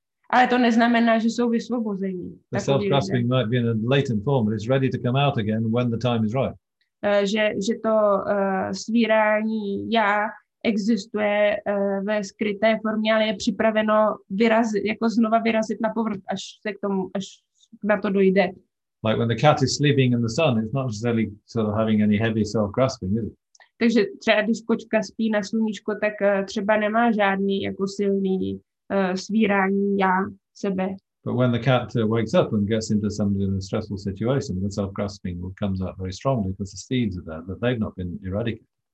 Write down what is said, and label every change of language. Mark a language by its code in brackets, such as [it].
[cs] Ale to neznamená, že jsou vysvobození. [en] The self-grasping might be in a latent form, but it's ready to come out again when the time is right. [cs] Že to svírání já existuje ve skryté formě, ale je připraveno vyrazit, jako znova vyrazit na povrch, až na to dojde. [en] Like when the cat is sleeping in the sun, it's not necessarily sort of having any heavy self-grasping, is it? [cs] Takže třeba když kočka spí na sluníčko, tak třeba nemá žádný jako silný svírání já sebe. [en] But when the cat wakes up and gets into some stressful situation, the self-grasping comes out very strongly because the seeds are there, that they've not been eradicated.